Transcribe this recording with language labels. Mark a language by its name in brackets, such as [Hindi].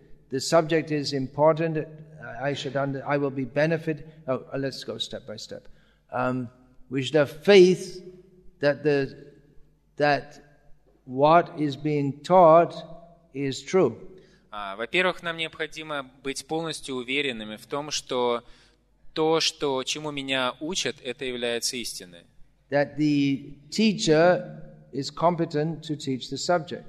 [English] The subject is important. I will be benefit. Oh, let's go step by step. We should have faith that what is being taught is true. [Russian] Во-первых, нам необходимо быть полностью уверенными в том, что то, что чему меня учат, это является истиной. [English] That the teacher is competent to teach the subject.